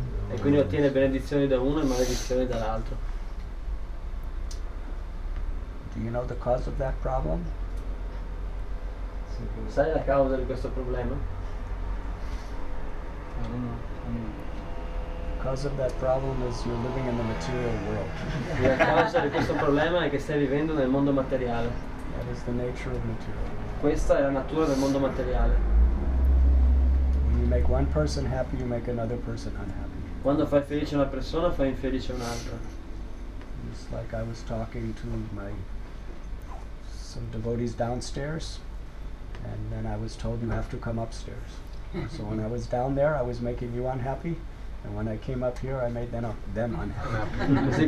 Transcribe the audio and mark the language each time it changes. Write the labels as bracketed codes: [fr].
[it] E quindi ottiene benedizioni da uno e maledizioni dall'altro. [en] Do you know the cause of that problem? [it] Sai la causa di questo problema? [en] I don't know. Cause of that problem is you're living in the material world. [it] La causa di questo problema è che stai vivendo nel mondo materiale. [en] That is the nature of material. [it] Questa è la natura del mondo materiale. [en] When you make one person happy, you make another person unhappy. [it] Quando fai felice una persona, fai infelice un'altra. [en] It's like I was talking to some devotees downstairs, and then I was told you have to come upstairs. So when I was down there, I was making you unhappy. And when I came up here, I made them unhappy.